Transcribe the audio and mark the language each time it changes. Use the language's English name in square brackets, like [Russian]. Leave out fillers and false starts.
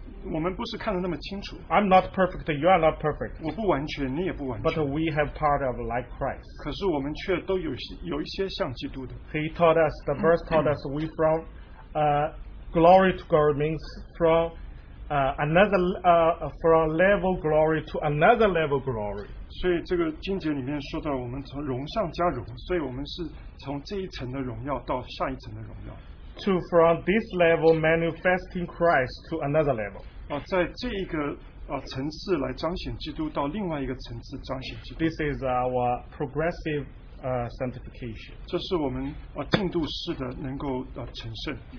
[Chinese] 我们不是看得那么清楚。 [English] I'm not perfect, you are not perfect. [Chinese] 我不完全，你也不完全。 [English] But we have part of like Christ. [Chinese] 可是我们却都有一些像基督的。 [English] He taught us, the verse taught us, we from glory to God means from from level glory to another level glory. [Chinese] 所以这个经节里面说到，我们从荣上加荣，所以我们是从这一层的荣耀到下一层的荣耀。 [English] To from this level manifesting Christ to another level. [Chinese] 在这一个层次来彰显基督，到另外一个层次彰显基督。 [English] This is our progressive sanctification. [Chinese] 这是我们进度式的能够成圣。